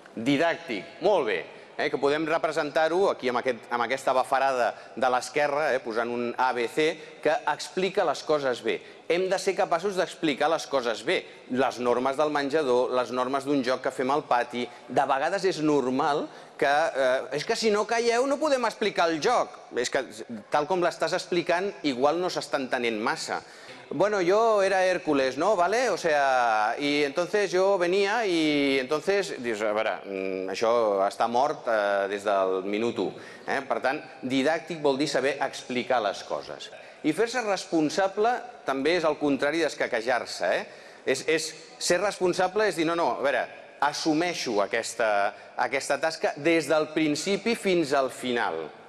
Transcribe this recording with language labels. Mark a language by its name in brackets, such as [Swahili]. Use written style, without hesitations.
[Catalan] Didàctic, molt bé. Que podem representar-ho aquí amb aquesta bafarada de l'esquerra, posant un ABC, que explica les coses bé. Hem de ser capaços d'explicar les coses bé. Les normes del menjador, les normes d'un joc que fem al pati. De vegades és normal que... és que si no calleu no podem explicar el joc. És que tal com l'estàs explicant, igual no s'està entenent massa. [Spanish] Bueno, yo era Hércules, ¿no? ¿Vale? O sea, y entonces yo venía y entonces... [Catalan] Dius, a veure, això està mort des del minut 1. Per tant, didàctic vol dir saber explicar les coses. I fer-se responsable també és el contrari d'escaquejar-se. Ser responsable és dir, no, a veure, assumeixo aquesta tasca des del principi fins al final.